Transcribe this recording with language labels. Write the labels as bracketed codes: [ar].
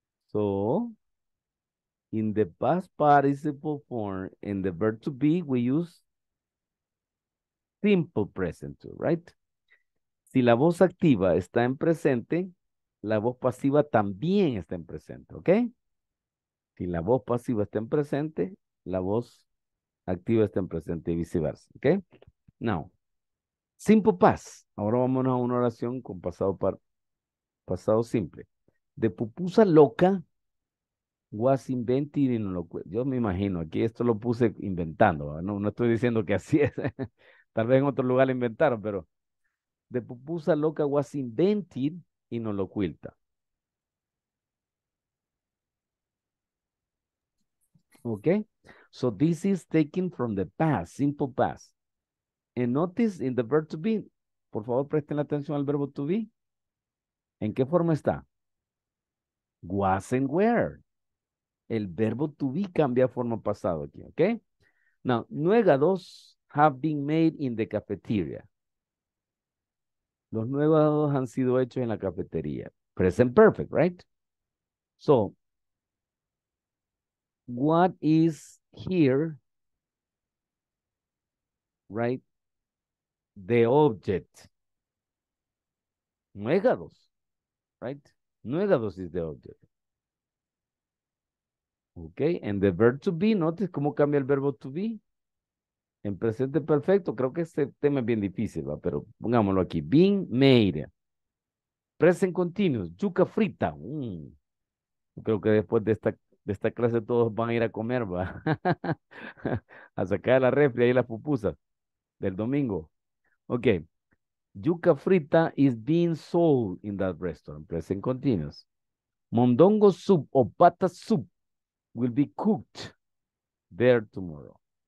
[en] So, in the past participle form, in the verb to be, we use simple present too, right? [es] Si la voz activa está en presente, la voz pasiva también está en presente, okay? Si la voz pasiva está en presente, la voz activa está en presente y viceversa, ¿ok? [en] Now, simple past. [es] Ahora vamos a una oración con pasado par, pasado simple. [en] The pupusa loca was invented in Olocuilta. [es] Yo me imagino, aquí esto lo puse inventando, ¿no? No estoy diciendo que así es. Tal vez en otro lugar lo inventaron, pero [en] the pupusa loca was invented in Olocuilta. [es] ¿Ok? [en] So this is taken from the past, simple past. And notice in the verb to be, [es] por favor presten atención al verbo to be. ¿En qué forma está? [en] Was and were. [es] El verbo to be cambia forma pasado aquí, ¿ok? [en] Now, nuegados have been made in the cafeteria. [es] Los nuegados han sido hechos en la cafetería. [en] Present perfect, right? So, what is here, right, the object, nuegados, right, nuegados is the object, okay, and the verb to be, notice [es] cómo cambia el verbo to be, en presente perfecto, creo que este tema es bien difícil, ¿va? Pero pongámoslo aquí, [en] being made, present continuous, [es] yuca frita, creo que después de esta clase todos van a ir a comer, va. A sacar la refri y las pupusas del domingo. Ok. [en] Yuca frita is being sold in that restaurant. Present continuous. Mondongo soup o pata soup will be cooked there tomorrow.